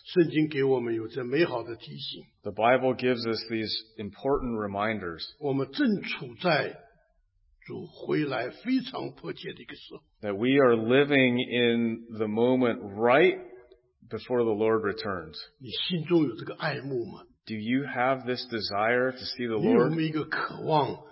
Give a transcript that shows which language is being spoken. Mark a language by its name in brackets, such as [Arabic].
[Chinese] 圣经给我们有这美好的提醒, [English] the Bible gives us these important reminders. [Chinese] 我们正处在主回来非常迫切的一个时候, [English] that we are living in the moment right before the Lord returns. [Chinese] 你心中有这个爱慕吗? [English] Do you have this desire to see the Lord?